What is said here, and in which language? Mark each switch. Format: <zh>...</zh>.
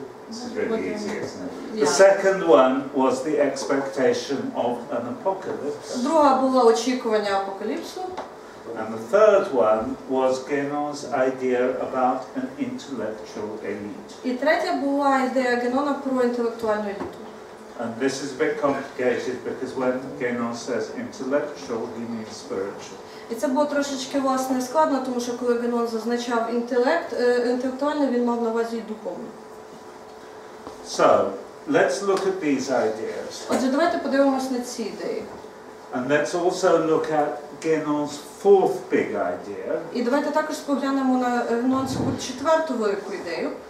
<en>The second one was the expectation of an apocalypse.</en> <uk>Друга була очікування апокаліпсу.</uk> <en>And the third one was Генон's idea about an intellectual elite.</en> <uk>І третя була ідея Генона про інтелектуальну еліту.</uk> <en>And this is a bit complicated because when Генон says intellectual, he means spiritual.</en> <uk>І це було трошечки власне складно, тому що коли Генон зазначав інтелект, інтелектуальне, він мав на увазі духовне.</uk> <en>So, let's look at these ideas.</en> <uk>Отже, давайте подивимось на ці ідеї.</uk> <en>And let's also look at Генон's fourth big idea.</en> <uk>І давайте також поглянемо на Генонську четверту велику ідею.</uk>